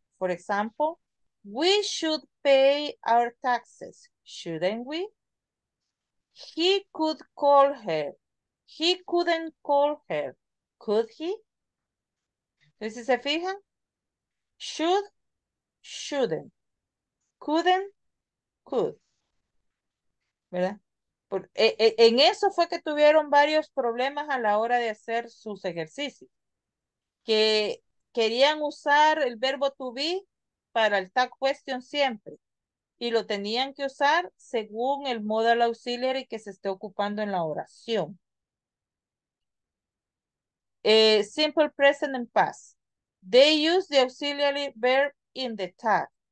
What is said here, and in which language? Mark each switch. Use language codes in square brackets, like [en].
[en] For example, we should pay our taxes, shouldn't we? He could call her. He couldn't call her, could he? [es] Entonces, si se fijan, [en] should, shouldn't, couldn't, could. [es] ¿Verdad? En eso fue que tuvieron varios problemas a la hora de hacer sus ejercicios. Que querían usar el verbo to be para el tag question siempre. Y lo tenían que usar según el modal auxiliary que se esté ocupando en la oración. [en] Simple present and past. They use the auxiliary verb in the tag.